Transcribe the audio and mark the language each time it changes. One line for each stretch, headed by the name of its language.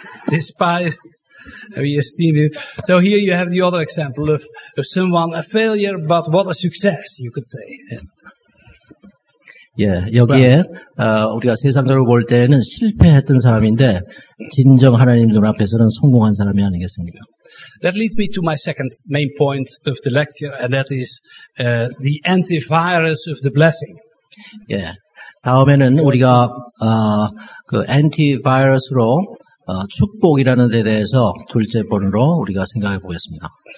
English: Despised, we esteemed him. So here you have the other example of someone a failure, but what a success you could say. Yeah.
Korean: 예, 여기에 우리가 세상적으로 볼 때는 실패했던 사람인데 진정 하나님 눈앞에서는 성공한 사람이 아니겠습니까?
English: That leads me to my second main point of the lecture, and that is the antivirus of the blessing.
Korean: 예, 다음에는 우리가 그 antivirus로 축복이라는 데 대해서 둘째 번으로 우리가 생각해 보겠습니다.